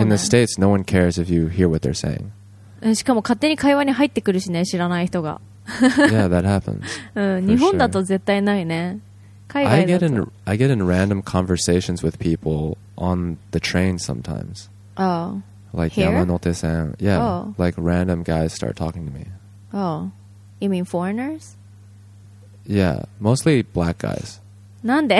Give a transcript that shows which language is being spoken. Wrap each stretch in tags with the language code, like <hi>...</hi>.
<en>In the States, no one cares if you hear what they're saying.</en> <ja>しかも勝手に会話に入ってくるしね、知らない人が。</ja> <en>Yeah, that happens.</en> <ja>うん、日本だと絶対ないね。海外だと。</ja> <en>I get in random conversations with people on the train sometimes. Oh, like here? Like 山手線.Yeah, oh. Like random guys start talking to me. Oh, you mean foreigners? Yeah, mostly black guys.</en> <ja>Nande?</ja>